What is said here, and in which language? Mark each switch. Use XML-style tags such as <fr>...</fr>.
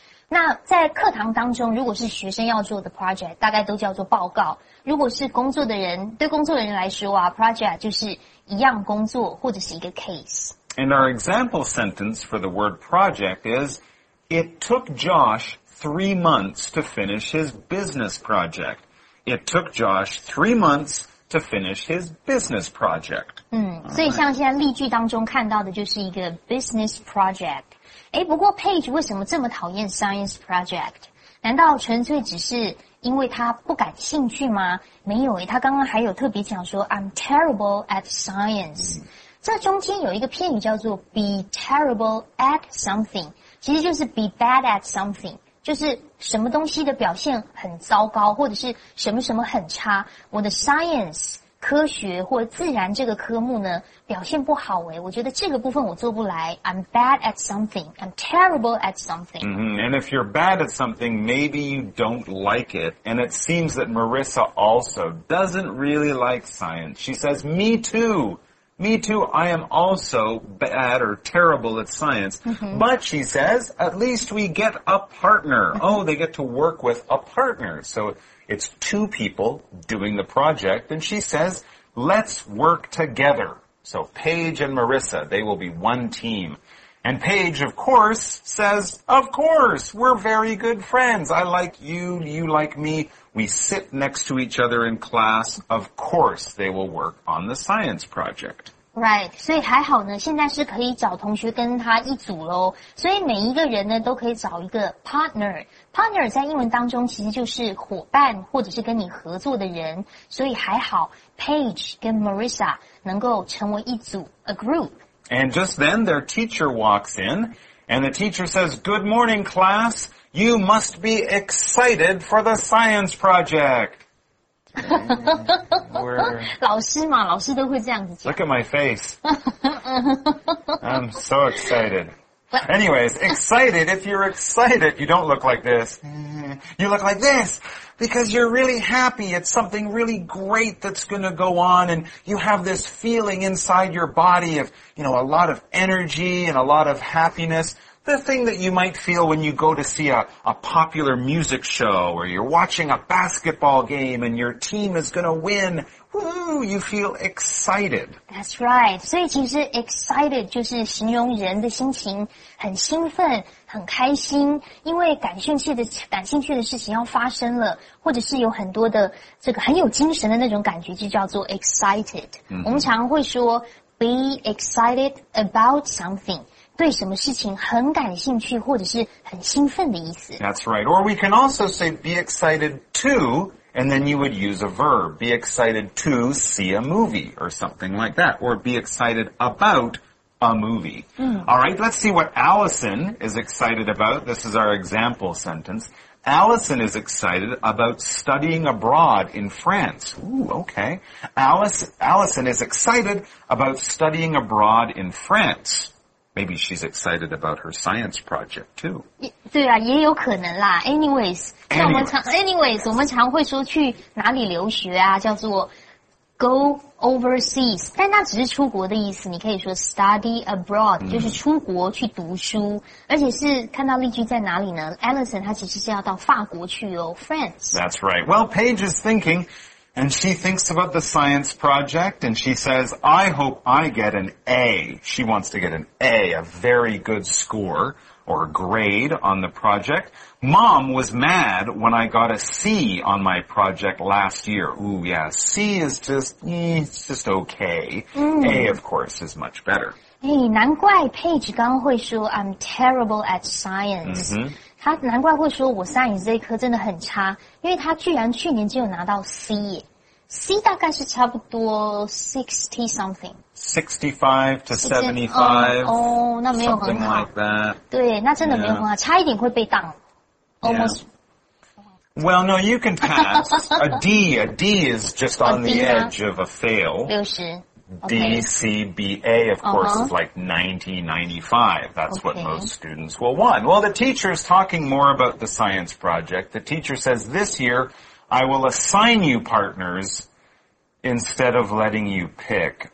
<zh>那在课堂当中，如果是学生要做的 project， 大概都叫做报告。如果是工作的人，对工作的人来说啊 ，project 就是一样工作或者是一个 case。</zh> <en>And our example sentence for the word project is, "It took Josh 3 months to finish his business project." It took Josh 3 months to finish his business project.</en> <zh>所以像现在例句当中看到的就是一个 business project。诶，不过 Paige 为什么这么讨厌 science project？ 难道纯粹只是因为他不感兴趣吗？没有诶，他刚刚还有特别讲说</zh> <en>I'm terrible at science。</en> <zh>这中间有一个片语叫做</zh> <en>be terrible at something，</en> <zh>其实就是</zh> <en>be bad at something，</en> <zh>就是什么东西的表现很糟糕，或者是什么什么很差。我的 science 科学或自然这个科目呢？表现不好我觉得这个部分我做不来。</zh> <en>I'm bad at something. I'm terrible at something. And if you're bad at something, maybe you don't like it. And it seems that Marissa also doesn't really like science. She says, me too. Me too. I am also bad or terrible at science. But she says, at least we get a partner. Oh, they get to work with a partner. So it's two people doing the project. And she says, let's work together. So Paige and Marissa, they will be one team. And Paige, of course, says, of course, we're very good friends. I like you, you like me. We sit next to each other in class. Of course, they will work on the science project.</en> <zh>Right, 所以还好呢，现在是可以找同学跟他一组咯。所以每一个人呢，都可以找一个 partner。Partner 在英文当中其实就是伙伴或者是跟你合作的人，所以还好 Paige 跟 Marissa 能够成为一组</zh> <en>a group. And just then their teacher walks in and the teacher says, good morning class, you must be excited for the science project.</en> <zh>老师嘛，老师都会这样子讲。</zh> <en>Look at my face. I'm so excited. Anyways, excited, if you're excited, you don't look like this. You look like this because you're really happy. It's something really great that's going to go on. And you have this feeling inside your body of, you know, a lot of energy and a lot of happiness. The thing that you might feel when you go to see a popular music show or you're watching a basketball game and your team is going to win. Ooh, you feel excited. That's right.</en> <zh>所以其实 excited 就是形容人的心情很兴奋很开心，因为感兴趣的事情要发生了，或者是有很多的这个很有精神的那种感觉，就叫做 excited. 我们常会说</zh> <en>be excited about something，</en> <zh>对什么事情很感兴趣或者是很兴奋的意思。</zh> <en>That's right. Or we can also say be excited to... And then you would use a verb, be excited to see a movie or something like that, or be excited about a movie. All right, let's see what Allison is excited about. This is our example sentence. Allison is excited about studying abroad in France. Ooh, okay. Allison is excited about studying abroad in France. Maybe she's excited about her science project, too.</en> <zh>对啊，也有可能啦。 Anyways, 我们常会说去哪里留学啊，叫做</zh> <en>go overseas.</en> <zh>但那只是出国的意思，你可以说</zh> <en>study abroad,</en> <zh>就是出国去读书。而且是看到例句在哪里呢？Allison 她其实是要到法国去哦 ,France.</zh> <en>That's right. Well, Paige is thinking, And she thinks about the science project, and she says, I hope I get an A. She wants to get an A, a very good score or grade on the project. Mom was mad when I got a C on my project last year. Ooh, yeah, C is just, it's just okay. A, of course, is much better.</en> <zh>难怪 Paige 刚刚会说</zh> <en>I'm terrible at science. Mm-hmm.</en> <zh>他难怪会说我 science 这一科真的很差，因为他居然去年就有拿到 C， C 大概是差不多 60 something，</zh> <en>65 to 75，</en> <zh>那没有很好、</zh> <en>like、that.</en> <zh>对，那真的没有很好、</zh> <en>yeah.</en> <zh>差一点会被当 almost、</zh> <en>yeah. well no you can pass a D is just on the edge of a fail 60 D, C, B, A, of course, is like 90-95. That's what most students will want. Well, the teacher is talking more about the science project. The teacher says, this year, I will assign you partners instead of letting you pick.</en>